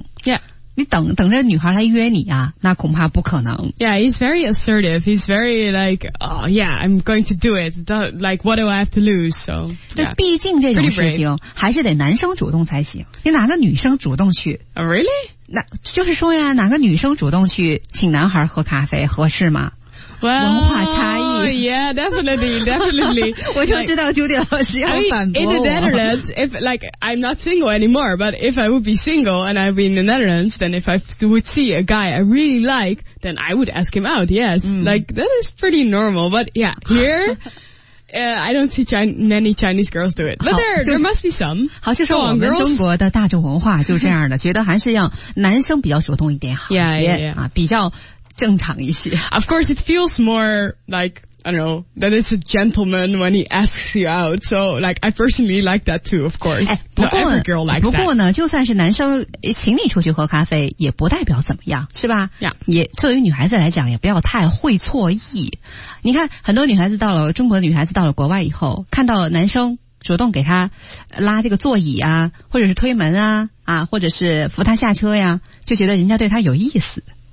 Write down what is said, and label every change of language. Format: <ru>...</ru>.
<en>Yeah.</en> <zh>你等等着女孩来约你啊，那恐怕不可能。</zh> <en>Yeah, he's very assertive. He's very like, oh yeah, I'm going to do it. Like, what do I have to lose? So, yeah.</en> <zh>毕竟这种事情还是得男生主动才行。你哪个女生主动去、</zh> <en>oh, ？Really?</en> <zh>那就是说呀，哪个女生主动去请男孩喝咖啡合适吗？</zh> <en>Well,</en> <zh>文化差异</zh> <en>yeah, definitely, definitely.</en> <zh>我就知道朱迪老师要反驳我。</zh> <en>In the Netherlands, if, like, I'm not single anymore, but if I would be single and I'd be in the Netherlands, then if I would see a guy I really like, then I would ask him out, yes.、Mm. Like, that is pretty normal, but yeah, here... I don't see many Chinese girls do it, but there must be some.</en> <zh>好，就是我们中国的大众文化就这样的，觉得还是让男生比较主动一点好一些</zh> <en>yeah, yeah, yeah.</en> <zh>啊，比较正常一些。</zh> <en>Of course, it feels more like I don't know that it's a gentleman when he asks you out. So, like I personally like that too. Of course,</en> <zh>不过</zh> <en>every girl likes that.</en> <zh>不过呢，就算是男生请你出去喝咖啡，也不代表怎么样，是吧</zh> <en>？Yeah.</en> <zh>也作为女孩子来讲，也不要太会错意。你看，很多女孩子到了中国，女孩子到了国外以后，看到男生主动给她拉这个座椅啊，或者是推门啊，啊，或者是扶她下车呀，就觉得人家对她有意思。</zh>